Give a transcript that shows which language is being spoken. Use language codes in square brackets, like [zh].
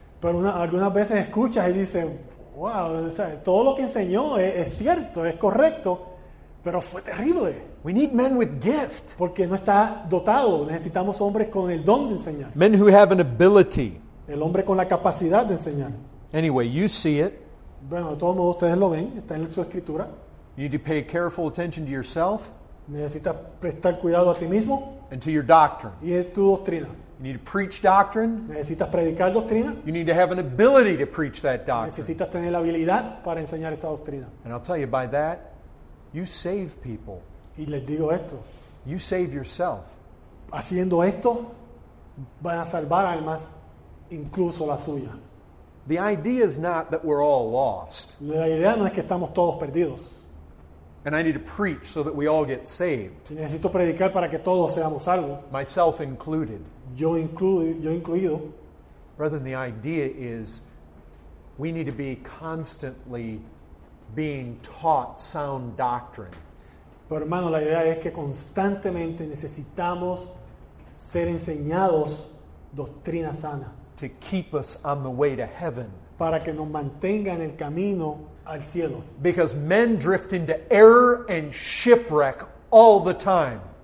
[es] Pero algunas veces escuchas y dices, wow, o sea, todo lo que enseñó es cierto, es correcto, pero fue terrible. [en] We need men with gift. [es] Porque no está dotado. Necesitamos hombres con el don de enseñar. [en] Men who have an ability. [es] El hombre con la capacidad de enseñar. [en] Anyway, you see it. [es] Bueno, de todos modos, ustedes lo ven. Está en su escritura. [en] You need to pay careful attention to yourself. [es] Necesitas prestar cuidado a ti mismo. [en] And to your doctrine. [es] Y a tu doctrina. [en] You need to preach doctrine. [es] Necesitas predicar doctrina. [en] You need to have an ability to preach that doctrine. [es] Necesitas tener la habilidad para enseñar esa doctrina. [en] And I'll tell you, by that, you save people. [es] Y les digo esto. [en] You save yourself. [es] Haciendo esto, van a salvar almas, incluso la suya. [en] The idea is not that we're all lost. [es] La idea no es que estamos todos perdidos. [en] And I need to preach so that we all get saved. [es] Necesito predicar para que todos seamos salvos. [en] Myself included. [es] Yo incluido. [en] Brethren, the idea is we need to be constantly being taught sound doctrine. [es] Pero hermano, la idea es que constantemente necesitamos ser enseñados doctrina sana. [en] To keep us on the way to heaven. [es] Para que nos mantenga en el camino al cielo. [en] Because men drift into error and shipwreck all the time.